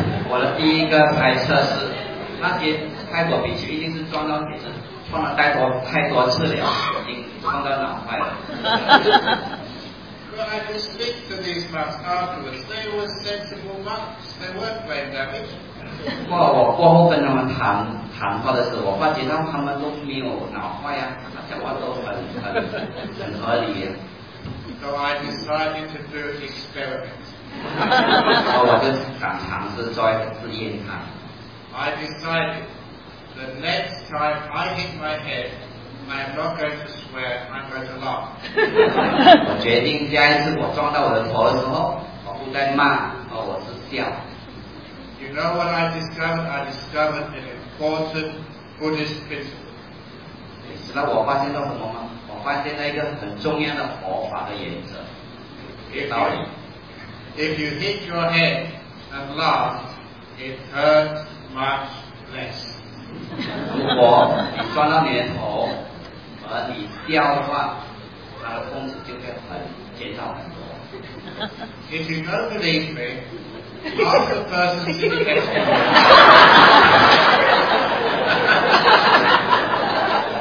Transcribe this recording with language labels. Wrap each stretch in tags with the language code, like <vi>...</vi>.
<zh>我的第一个猜测是那些泰国比丘一定是撞到铁子撞了太多次了，已经撞到脑坏了。</zh> <en>But I just speak to these monks afterwards. They were sensible monks. They weren't brain damaged.</en> <zh>我过后跟他们谈话的时候，我发觉到他们都没有脑坏呀，他讲话都很合理。</zh> <en>So I decided to do experiments.</en> <zh>我就想尝试做一个试验看。</zh> <en>I decided. The next time I hit my head, I am not going to swear, I'm going to laugh.</en> <zh>我决定下一次我撞到我的头的时候，我不再骂，而我是笑。</zh> <en>You know what I discovered? I discovered an important Buddhist principle.</en> <zh>你知道我发现到什么吗？我发现了一个很重要的佛法的原则，道理。</zh> <en>If you hit your head and laugh, it hurts much less.</en> <zh>如果你撞到你的头而你掉的话，它的痛苦就会很减少很多。</zh> <en>If you don't believe me, ask the person to the next one.</en>